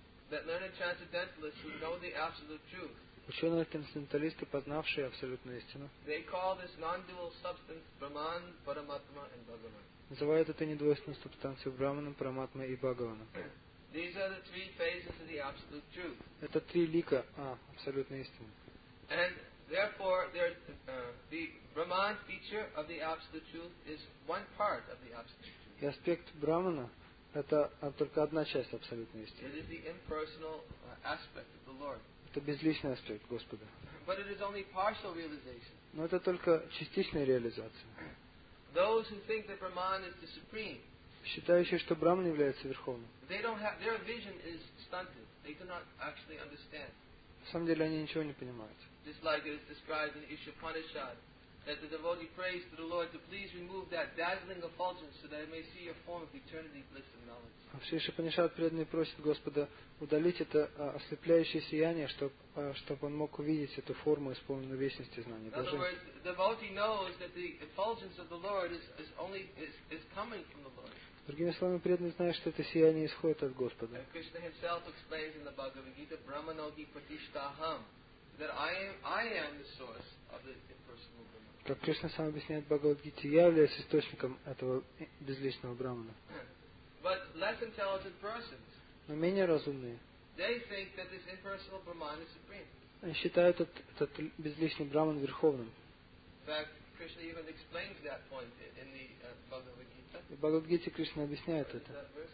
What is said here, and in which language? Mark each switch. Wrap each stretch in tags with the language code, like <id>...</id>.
<en>That learned transcendentalists who know the absolute truth.</en> <ru>Ученые трансценденталисты, познавшие абсолютную истину.</ru> <en>They call this non-dual substance Brahman, Paramatma and Bhagavan.</en> <ru>Называют это недвойственную субстанцию Брахманом, Параматмой и Бхагаваном.</ru> <en>These are the three phases of the absolute truth.</en> <ru>Это три лика абсолютной истины.</ru> <en>And therefore, the Brahman feature of the absolute truth is one part of the absolute truth.</en> <ru>И аспект Брахмана — это только одна часть абсолютной истины.</ru> <en>It is the impersonal aspect of the Lord.</en> <ru>Это безличный аспект Господа.</ru> <en>But it is only partial realization.</en> <ru>Но это только частичная реализация.</ru> <en>Those who think that Brahman is the supreme.</en> <ru>Считающие, что Брахман является верховным.</ru> <en>They don't have their vision is stunted. They do not actually understand.</en> <ru>На самом деле они ничего не понимают.</ru> <en>Just like it is described in Ishapanishad, that the devotee prays to the Lord to please remove that dazzling effulgence so that I may see your form of eternity, bliss and knowledge.</en> <ru>В Ишапанишад преданный просит Господа удалить это ослепляющее сияние, чтобы он мог увидеть эту форму исполненную вечности знания.</ru> <en>In other words, the devotee knows that the effulgence of the Lord is coming from the Lord.</en> <ru>Другими словами, преданный знает, что это сияние исходит от Господа.</ru> <en>Krishna himself explains in the Bhagavad Gita,</en> <sa>Brahmanogi Pratishtaham,</sa> <en>that I am the source of the impersonal Brahman.</en> <ru>Как Кришна сам объясняет в Бхагавад Гите, я являюсь источником этого безличного Брахмана.</ru> <en>But less intelligent persons.</en> <ru>Но менее разумные.</ru> <en>They think that this impersonal Brahman is supreme.</en> <ru>Они считают этот безличный Брахман верховным.</ru> <en>In fact, Krishna even explains that point in the Bhagavad Gita.</en> <ru>И Бхагавад-гите Кришна объясняет это.</ru>